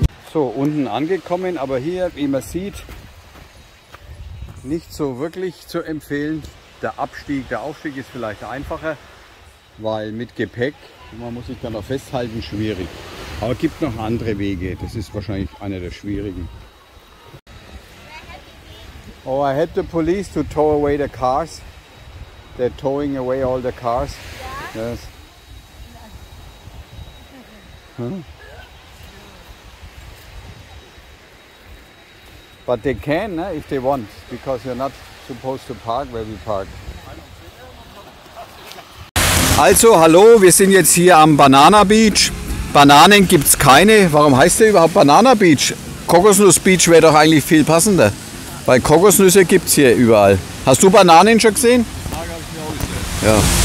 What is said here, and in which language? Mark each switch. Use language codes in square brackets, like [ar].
[de] So, unten angekommen, aber hier, wie man sieht, nicht so wirklich zu empfehlen. Der Aufstieg ist vielleicht einfacher, weil mit Gepäck, man muss sich da noch festhalten, schwierig. Aber es gibt noch andere Wege, das ist wahrscheinlich einer der schwierigen. [en] Oh, I had the police to tow away the cars. They're towing away all the cars. Yeah. Yes. Huh? But they can, ne, if they want, because you're not supposed to park where we park. [de] Also, hallo, wir sind jetzt hier am Banana Beach. Bananen gibt es keine. Warum heißt der überhaupt Banana Beach? Kokosnuss Beach wäre doch eigentlich viel passender. Weil Kokosnüsse gibt es hier überall. Hast du Bananen schon gesehen? Ja.